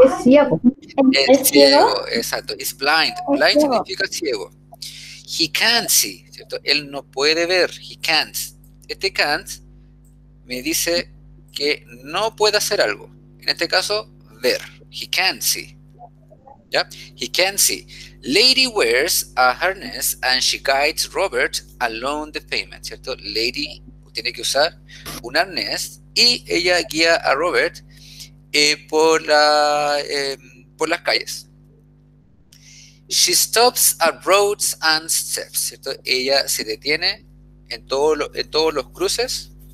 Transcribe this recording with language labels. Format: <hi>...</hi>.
<es>Es ciego. Es ciego, exacto.</es> <en>Is blind.</en> <es>Blind significa ciego.</es> <en>He can't see,</en> <es>¿cierto? Él no puede ver.</es> <en>He can't.</en> <es>Este can't me dice que no puede hacer algo. En este caso, ver.</es> <en>He can't see.</en> <es>¿Ya?</es> <en>He can't see. Lady wears a harness and she guides Robert along the pavement.</en> <es>¿Cierto? Lady tiene que usar un arnés y ella guía a Robert por las calles.</es> <en>She stops at roads and steps.</en> <es>¿Cierto? Ella se detiene en todos los cruces.</es>